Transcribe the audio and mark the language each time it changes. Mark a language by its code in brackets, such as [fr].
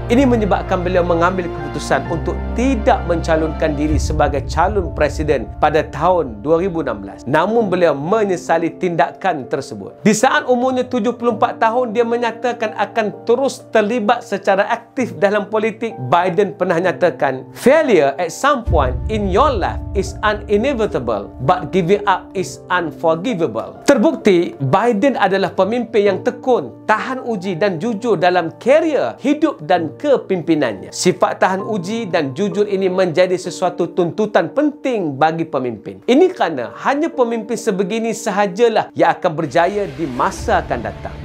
[ms] Ini menyebabkan beliau mengambil keputusan untuk tidak mencalonkan diri sebagai calon presiden pada tahun 2016. Namun beliau menyesali tindakan tersebut. Di saat umurnya 74 tahun, dia menyatakan akan terus terlibat secara aktif dalam politik. Biden pernah nyatakan, [en] "Failure at some point in your life is inevitable, but giving up is unforgivable." [ms] Terbukti, Biden adalah pemimpin yang tekun, tahan uji dan jujur dalam karier, hidup dan kepimpinannya. Sifat tahan uji dan jujur ini menjadi sesuatu tuntutan penting bagi pemimpin. Ini kerana hanya pemimpin sebegini sahajalah yang akan berjaya di masa akan datang.